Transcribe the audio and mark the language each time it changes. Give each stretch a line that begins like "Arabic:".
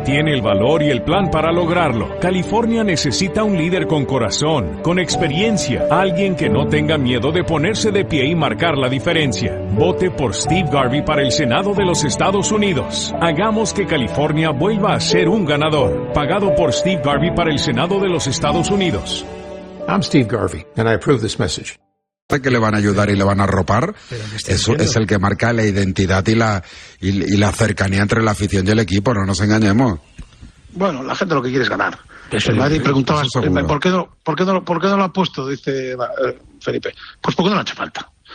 Spanish: Tiene el valor y el plan para lograrlo. California necesita un líder con corazón, con experiencia, alguien que no tenga miedo de ponerse de pie y marcar la diferencia. Vote por Steve Garvey para el Senado de los Estados Unidos. Hagamos que California vuelva a ser un ganador. Pagado por Steve Garvey para el Senado de los Estados Unidos.
English: I'm Steve Garvey and I approve this message.
Spanish: Que le van a ayudar y le van a arropar, eso es el que marca la identidad y la cercanía entre la afición y el equipo, no nos engañemos. Bueno, la gente lo que quiere es ganar. Nadie preguntaba ¿por qué no lo ha puesto, dice Felipe. Pues porque no le ha hecho falta.